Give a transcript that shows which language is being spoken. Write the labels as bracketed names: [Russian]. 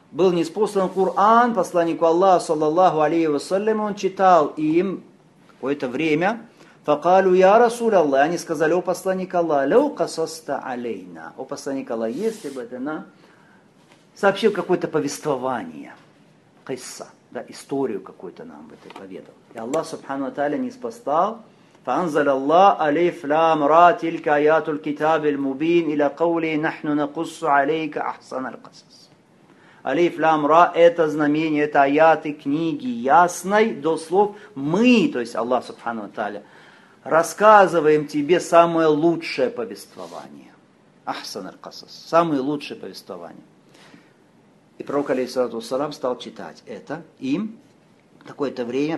[Russian] Был ниспослан Кур'ан посланнику Аллаха саллаллаху алейхи вассалям, он читал им какое-то время, «Факалю я Расуль Аллах», они сказали, «О посланник Аллах, лау касаста алейна», «О посланник Аллах, если бы это на...» сообщил какое-то повествование, хисса, да, историю какую-то нам в этой поведал. [Arabic] И Аллах, субхану ва тааля, ниспослал, فَأَنْزَلَ اللَّهُ أَلِفْ لَامْ رَا تِلْكَ آيَاتُ الْكِتَابِ الْمُبِينِ إِلَى قَوْلِهِ نَحْنُ نَقُصُّ عَلَيْكَ أَحْسَنَ الْقَصَصِ. [Russian] Алиф, лям, ра – это знамение, это аяты книги ясной до слов. Мы, то есть Аллах, Субхану ва Тааля, рассказываем тебе самое лучшее повествование. Ахсан аль-касас. Самое лучшее повествование. И пророк, алейхиссалату вассалам, стал читать это им какое-то время.